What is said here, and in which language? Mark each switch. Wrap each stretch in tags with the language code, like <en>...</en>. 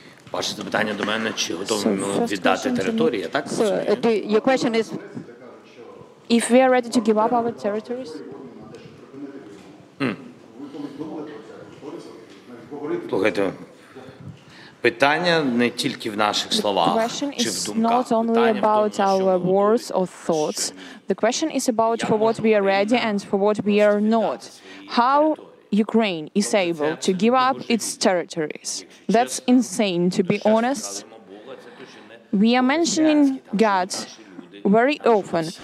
<uk>Ваше запитання до мене, чи готові віддати територію, так?</uk> <en>Your question is if we are ready to give up our territories?</en> <uk>Слухайте, питання не тільки в наших словах чи в думках.</uk> <en>It's not only about our words or thoughts. The question is about for what we are ready and for what we are not. How Ukraine is able to give up its territories. That's insane, to be honest. We are mentioning God very often.</en>